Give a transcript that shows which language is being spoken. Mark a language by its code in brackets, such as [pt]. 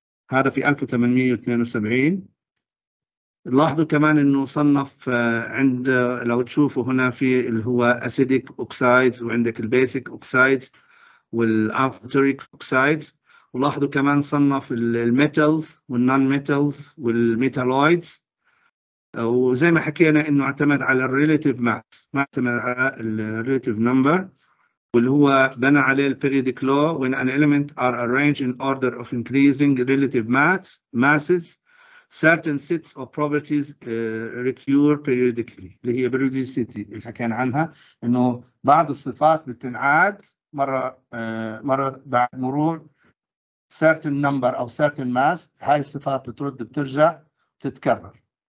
[ar] هذا في 1872. لاحظوا كمان انه صنف عند، لو تشوفوا هنا في اللي هو اسيديك اوكسايدز وعندك البيسيك اوكسايدز والافتريك اوكسايدز. ولاحظوا كمان صنف الميتالز والنون ميتالز والميتالويدز. وزي ما حكينا انه اعتمد على الريليتيف ماس، ما اعتمد على الريليتيف نمبر، واللي هو بنى عليه البيريديك لو. [en] When an element are arranged in order of increasing relative mass, masses, certain sets of properties recur periodically. [ar] اللي هي periodicity اللي حكينا عنها، انه بعض الصفات بتنعاد مرة بعد مرور certain number او certain mass. هاي الصفات بترد بترجع بتتكرر.